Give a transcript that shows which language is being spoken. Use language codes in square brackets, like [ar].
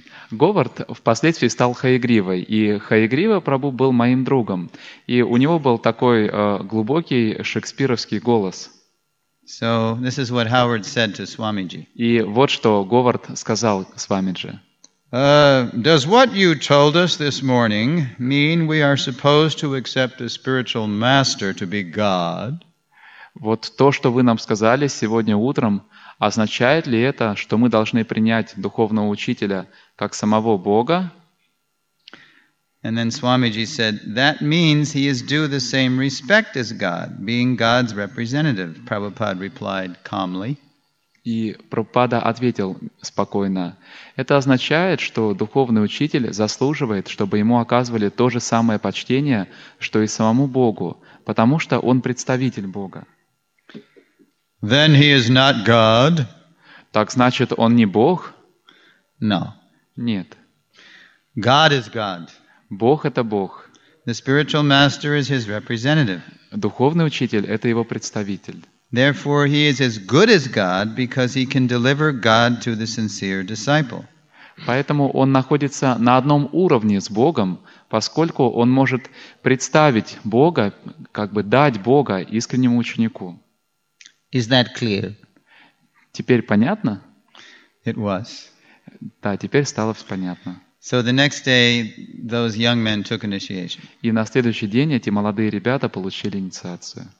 [ru] Говард впоследствии стал Хаягривой, и Хаягрива Прабу был моим другом, и у него был такой глубокий шекспировский голос. [en] So this is what Howard said to Swamiji. [ru] И вот что Говард сказал Свамиджи. [en] Does what you told us this morning mean we are supposed to accept a spiritual master to be God? [ru] Вот то, что вы нам сказали сегодня утром, означает ли это, что мы должны принять духовного учителя как самого Бога? [en] And then Swamiji said, that means he is due the same respect as God, being God's representative. Prabhupada replied calmly. [ru] И Прабхупада ответил спокойно: это означает, что духовный учитель заслуживает, чтобы ему оказывали то же самое почтение, что и самому Богу, потому что он представитель Бога. [en] Then he is not God. [ru] Так значит, он не Бог? [en] No. [ru] Нет. [en] God is God. [ru] Бог — это Бог. [en] The spiritual master is his representative. [ru] Духовный учитель — это его представитель. [en] Therefore, he is as good as God because he can deliver God to the sincere disciple. [ru] Поэтому он находится на одном уровне с Богом, поскольку он может представить Бога, как бы дать Бога искреннему ученику. [en] Is that clear? [ru] Теперь понятно? [en] It was. [ru] Да, теперь стало понятно. [en] So the next day, those young men took initiation. [ru] И на следующий день эти молодые ребята получили инициацию.